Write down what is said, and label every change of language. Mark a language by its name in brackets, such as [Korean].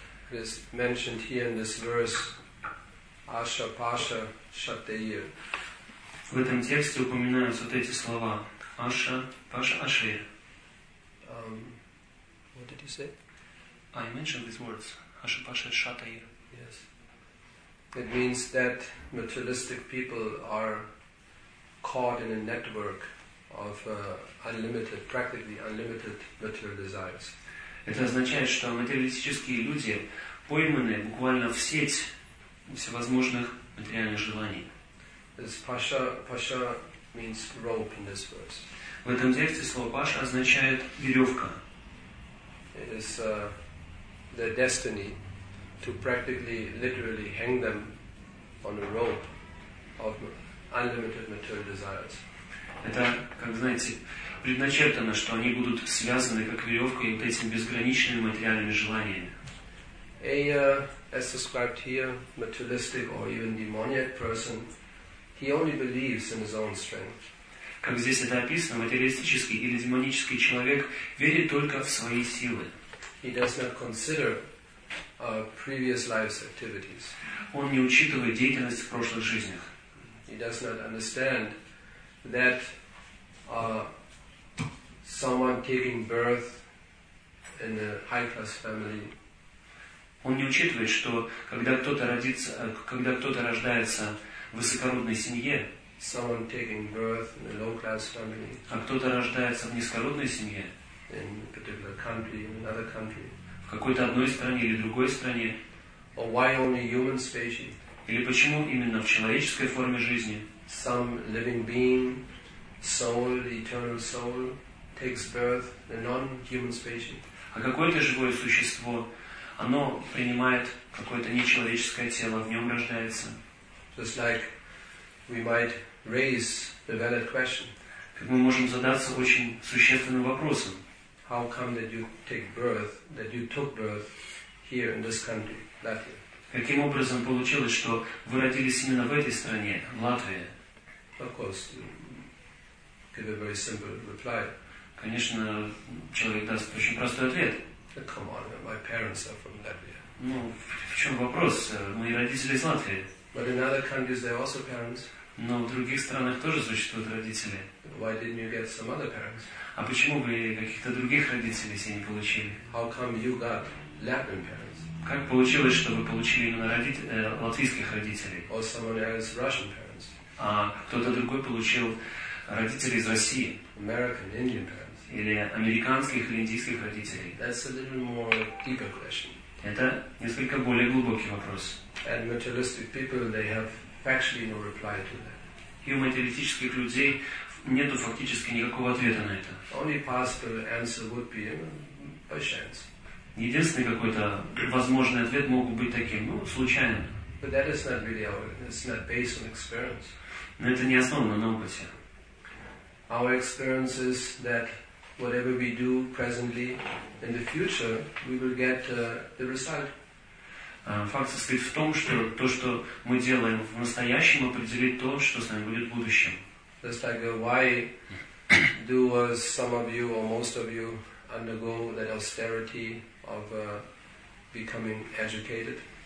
[English] As mentioned here in this verse, Asha, Pasha, Shateya. [Russian] В этом тексте упоминаются вот эти слова. [Sanskrit] Asha, Pasha, Ashaya. [English] What did you say? I mentioned these words. [Sanskrit] Asha, Pasha, Shateya. [English] Yes. It means that materialistic people are caught in a network of unlimited, practically unlimited material desires. [Russian] Это означает, что материалистические люди пойманы буквально в сеть всевозможных материальных желаний. [English] This pasha means rope in this verse. [Russian] В этом тексте слово паша означает веревка. [English] It is their destiny to practically, literally hang them on a rope of unlimited material desires. [Russian] Это, как знаете, предначертано, что они будут связаны как веревкой вот этими безграничными материальными желаниями. [English] As described here, materialistic or even demoniac person, he only believes in his own strength. [Russian] Как здесь это описано, материалистический или демонический человек верит только в свои силы. [English] He does not consider previous life's activities. [Russian] Он не учитывает деятельность в прошлых жизнях. [English] He does not understand that someone taking birth in a high-class family. [Russian] Он не учитывает, что когда кто-то родится, когда кто-то рождается в высокородной семье, [English] someone taking birth in a low-class family, [Russian] а кто-то рождается в низкородной семье, [English] in a particular country, in another country, [Russian] в какой-то одной стране или другой стране, [English] or why only human species, [Russian] или почему именно в человеческой форме жизни, [English] some living being, soul, eternal soul, takes birth in a non-human species, [Russian] а какое-то живое существо, оно принимает какое-то нечеловеческое тело, в нем рождается. [English] Just like we might raise a valid question. [Russian] Как мы можем задаться очень существенным вопросом. [English] How come that you take birth, that you took birth here in this country, Latvia? [Russian] Каким образом получилось, что вы родились именно в этой стране, в Латвии? [English] Of course, you give a very simple reply. [Russian] Конечно, человек даст очень простой ответ. [English] Come on, my parents are from Latvia. [Russian] Ну, в чем вопрос? Мои родители из Латвии. [English] But in other countries, they are also parents. [Russian] Но в других странах тоже существуют родители. [English] Why didn't you get some other parents? [Russian] А почему вы каких-то других родителей себе не получили? [English] How come you got Latin parents? [Russian] Как получилось, что вы получили именно латвийских родителей? [English] Or someone else, Russian parents? [Russian] А кто-то другой получил родителей из России? [English] American, Indian parents. [Russian] Или американских или индийских родителей? [English] That's a little more deeper question. [Russian] Это несколько более глубокий вопрос. [English] And materialistic people, they have actually no reply to that. [Russian] И у материалистических людей нету фактически никакого ответа на это. [English] Only possible answer would be by chance. [Russian] Единственный какой-то возможный ответ мог бы быть таким, ну, случайным. [English] But that is not really our, it's not based on experience. [Russian] Но это не основано на опыте. [English] Our experience is that whatever we do presently, in the future, we will get the result. [Russian] Факт состоит в том, что то, что мы делаем в настоящем, определит то, что с нами будет в будущем. [English] Just like why do some of you or most of you undergo that austerity of becoming educated?